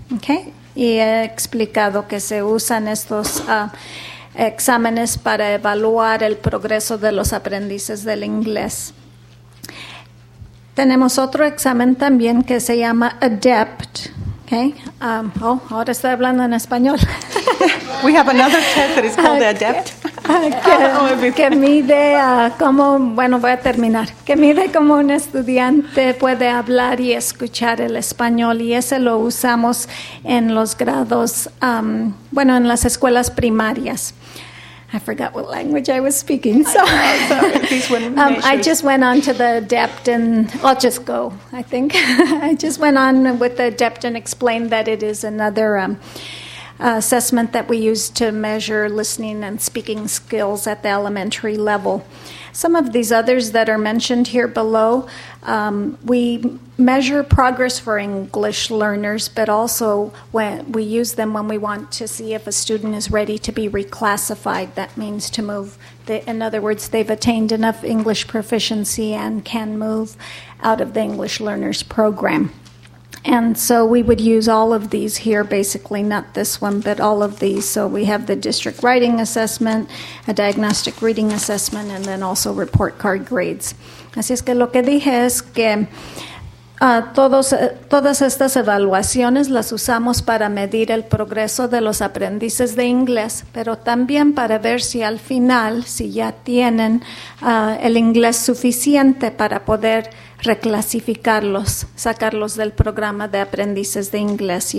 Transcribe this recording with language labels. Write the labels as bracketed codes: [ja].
[es] Okay, y he explicado que se usan estos exámenes para evaluar el progreso de los aprendices del inglés. Tenemos otro examen también que se llama ADEPT. Okay. Ahora estoy hablando en español. [en] We have another test that is called ADEPT. [es] Que mide cómo, bueno, voy a terminar. Que mide cómo un estudiante puede hablar y escuchar el español. Y ese lo usamos en los grados, bueno, en las escuelas primarias. [en] I forgot what language I was speaking, so I just went on to the ADEPT, and I'll just go, I think. I just went on with the ADEPT and explained that it is another assessment that we use to measure listening and speaking skills at the elementary level. Some of these others that are mentioned here below, we measure progress for English learners, but also when we use them when we want to see if a student is ready to be reclassified. That means to move, in other words, they've attained enough English proficiency and can move out of the English Learners Program. And so we would use all of these here, basically, not this one, but all of these. So we have the district writing assessment, a diagnostic reading assessment, and then also report card grades. [es] Así es que lo que dije es que todas estas evaluaciones las usamos para medir el progreso de los aprendices de inglés, pero también para ver si al final, si ya tienen el inglés suficiente para poder reclasificarlos, sacarlos del programa de aprendices de inglés.